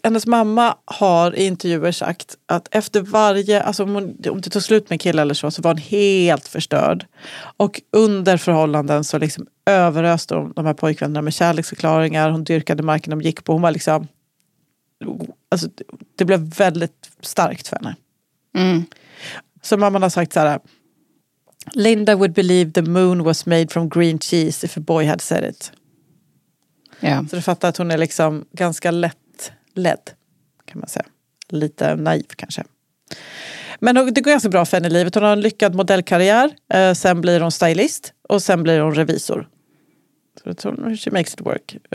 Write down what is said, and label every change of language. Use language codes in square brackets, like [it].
[sv] Hennes mamma har i intervjuer sagt att efter varje, alltså om det tog slut med kille eller så var hon helt förstörd. Och under förhållanden så liksom överöste hon de här pojkvännerna med kärleksförklaringar. Hon dyrkade marken de gick på. Hon var liksom, alltså det blev väldigt starkt för henne. Mm. Så mamman har sagt så här: [en] Linda would believe the moon was made from green cheese if a boy had said it. Yeah. [sv] Så du fattar att hon är liksom ganska lätt ledd, kan man säga. Lite naiv kanske. Men det går ganska bra för henne i livet. Hon har en lyckad modellkarriär. Sen blir hon stylist. Och sen blir hon revisor. Så hon, [en] she makes it work.